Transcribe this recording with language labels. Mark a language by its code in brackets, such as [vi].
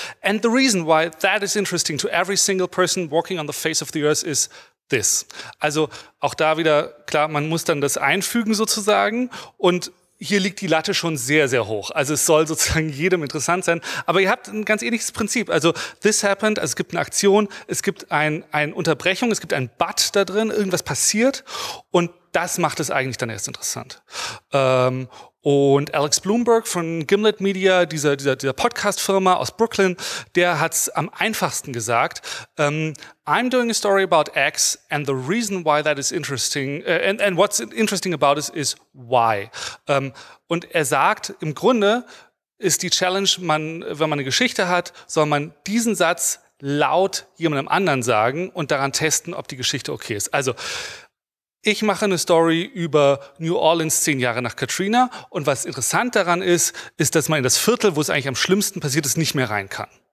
[en] And the reason why that is interesting to every single person walking on the face of the earth is this. [de] Also auch da wieder, klar, man muss dann das einfügen sozusagen und hier liegt die Latte schon sehr, sehr hoch. Also es soll sozusagen jedem interessant sein. Aber ihr habt ein ganz ähnliches Prinzip. Also [en] this happened, [de] also es gibt eine Aktion, es gibt eine Unterbrechung, es gibt ein But da drin, irgendwas passiert und das macht es eigentlich dann erst interessant. Und Alex Bloomberg von Gimlet Media, dieser Podcast-Firma aus Brooklyn, der hat's am einfachsten gesagt. [en] I'm doing a story about X and the reason why that is interesting and what's interesting about it is why. [de] Und er sagt, im Grunde ist die Challenge, wenn man eine Geschichte hat, soll man diesen Satz laut jemandem anderen sagen und daran testen, ob die Geschichte okay ist. Also ich mache eine Story über New Orleans 10 Jahre nach Katrina und was interessant daran ist, ist, dass man in das Viertel, wo es eigentlich am schlimmsten passiert ist, nicht mehr rein kann.